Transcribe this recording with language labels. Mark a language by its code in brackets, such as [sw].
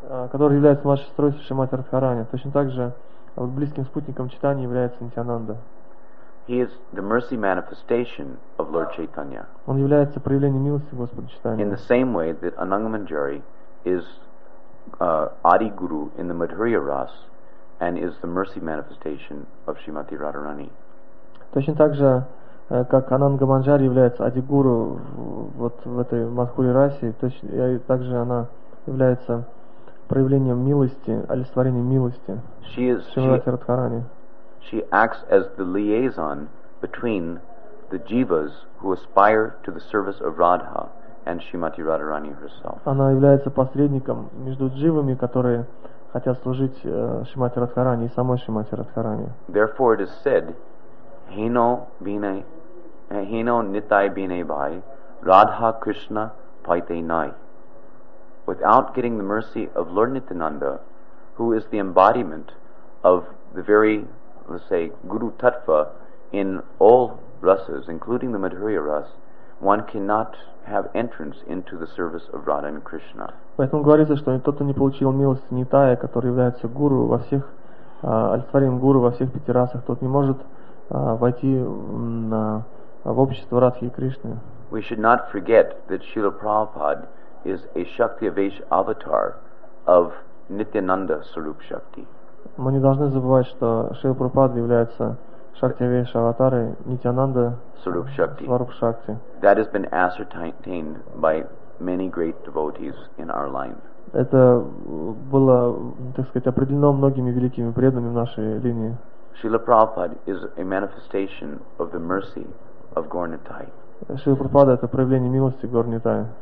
[ru] Которая является младшей сестрой Шримати Радхарани. Точно так же близким спутником Чайтаньи является Нитьянанда. [en] He is the mercy manifestation of Lord Chaitanya. [ru] Он является проявлением милости Господа Чайтаньи. [en] In the same way that Anangamanjari is Adi Guru in the Madhurya Ras and is the mercy manifestation of Srimati Radharani. [ru] Точно так же, как Анангаманджари является Ади Гуру вот в этой Мадхури Расе, точно так же она является проявлением милости, олицетворением милости Шримати Радхарани. [en] She acts as the liaison between the jivas who aspire to the service of Radha and Srimati Radharani herself. [ru] Она является посредником между дживами, которые хотят служить Шримати Радхарани и самой Шримати Радхарани. [en] Therefore it is said, [bn] Hino Nitai Bine Bhai, Radha Krishna Paite Nai. [en] Without getting the mercy of Lord Nityananda, who is the embodiment of the very, let's say, Guru Tattva in all rasas, including the Madhurya Ras, one cannot have entrance into the service of Radha and Krishna. [ru] Поэтому говорится, что тот, кто не получил милости Нитая, который является гуру во всех, олицетворением гуру во всех пяти расах, тот не может войти в общество Радхи и Кришны. [en] We should not forget that Srila Prabhupada is a Shakti Avesh avatar of Nityananda Swarup Shakti. [ru] Мы не должны забывать, что Шрила Прабхупада является Шакти Авеш аватарой Нитьянанда Swarup Shakti. [en] Swarup Shakti. That has been ascertained by many great devotees in our line. [ru] Это было, так сказать, определено многими великими преданными в нашей линии. [en] Шрила Прабхупада is a manifestation of the mercy of Gaur Nitai. [ru] Шрила Прабхупада — это проявление милости Гаур Нитая.